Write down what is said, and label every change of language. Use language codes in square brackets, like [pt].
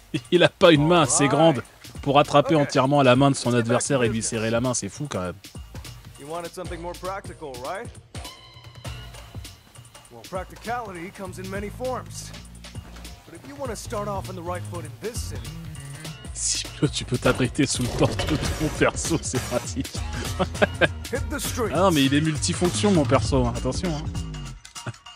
[fr] Il a pas une main assez grande pour attraper entièrement la main de son adversaire et lui serrer la main, c'est fou quand même. [en] You wanted something more practical, right? Well, practicality comes in many forms. But if you want to start off on the right foot in this city... [fr] Si tu peux t'abriter sous le torse de ton perso, c'est pratique. [en] Hit the street. [fr] Ah non, mais il est multifonction mon perso, hein. Attention hein.